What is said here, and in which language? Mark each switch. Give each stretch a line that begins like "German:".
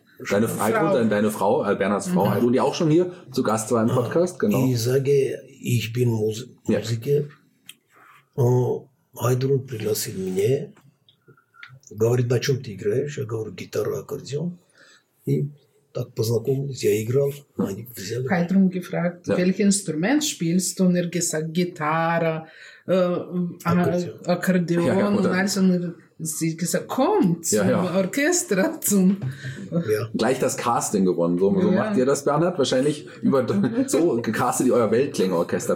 German: Deine Frau, Bernhards Frau Heidrun, die auch schon hier zu Gast war im Podcast, genau. Ich sage, ich bin Musiker.
Russian: Heidrun пригласил меня. Говорит, на чем ты играешь? Я говорю, гитара, аккордеон. И так познакомились, я играл, они взяли.
German: Хайдрун gefragt, ja. Welche Instrument spielst du? Und er gesagt, Gitarre, Akkordeon, ja, ja, also sie gesagt, komm zum, ja, ja, Orchester, zum, ja. Gleich das Casting gewonnen, so, so, ja, macht ihr das, Bernhard, wahrscheinlich über, so gecastet ihr euer Weltklängeorchester.